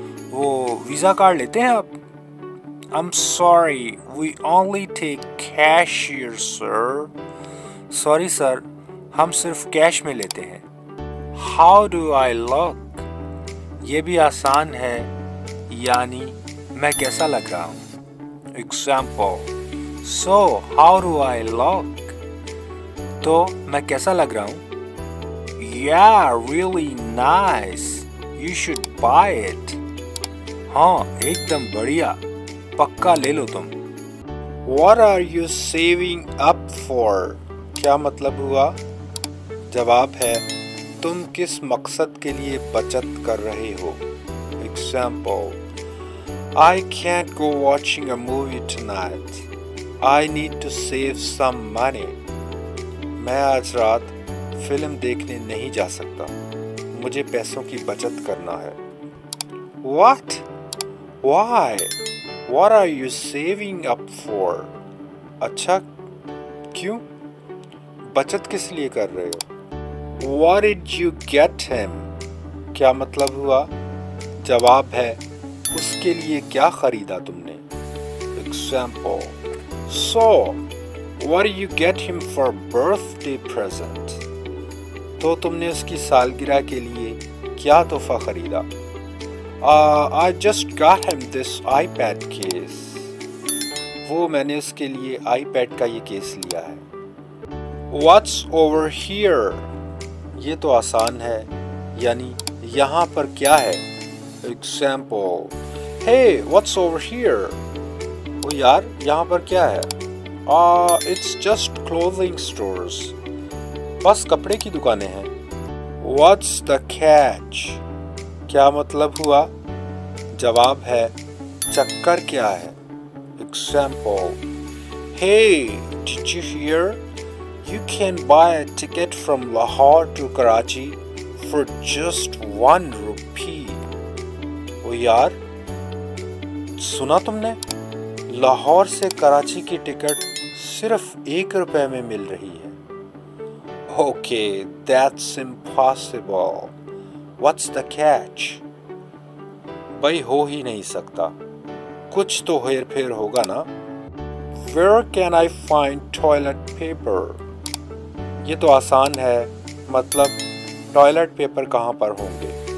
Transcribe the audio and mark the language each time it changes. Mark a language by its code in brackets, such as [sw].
[hi] वो visa card लेते हैं आप? [en] I'm sorry, we only take cashier, sir. Sorry, sir, [hi] हम सिर्फ कैश में लेते हैं. [en] How do I look? [hi] ये भी आसान है, यानी मैं कैसा लग रहा हूँ? [en] Example. So, how do I look? [hi] तो मैं कैसा लग रहा हूँ? [en] Yeah, really nice. You should buy it. [hi] हाँ, एकदम बढ़िया. पक्का ले लो तुम. [en] What are you saving up for? [hi] क्या मतलब हुआ? जवाब है, तुम किस मकसद के लिए बचत कर रहे हो? [en] Example. I can't go watching a movie tonight. I need to save some money. [hi] मैं आज रात फिल्म देखने नहीं जा सकता. मुझे पैसों की बचत करना है. [en] What? Why? What are you saving up for? [hi] अच्छा, क्यों? बचत किस लिए कर रहे हो? [en] What did you get him? [hi] क्या मतलब हुआ? जवाब है, उसके लिए क्या खरीदा तुमने? [en] Example. So, what did you get him for birthday present? [hi] तो तुमने उसकी सालगिरह के लिए क्या तोहफा खरीदा? [en] I just got him this iPad case. [hi] वो मैंने उसके लिए iPad का ये केस लिया है. [en] What's over here? [hi] ये तो आसान है, यानी यहाँ पर क्या है? [en] Example. Hey, what's over here? [hi] ओ यार, यहाँ पर क्या है? [en] It's just clothing stores. [hi] बस कपड़े की दुकानें हैं. [en] What's the catch? [hi] क्या मतलब हुआ? जवाब है, चक्कर क्या है? Example. [en] Hey, did you hear? You can buy a ticket from Lahore to Karachi for just 1 rupee. [hi] ओ यार, सुना तुमने? लाहौर से कराची की टिकट सिर्फ 1 रुपए में मिल रही है. [en] Okay, that's impossible. What's the catch? [hi] भाई, हो ही नहीं सकता. कुछ तो हेर फेर होगा ना. [en] Where can I find toilet paper? [hi] ये तो आसान है, मतलब टॉयलेट पेपर कहाँ पर होंगे?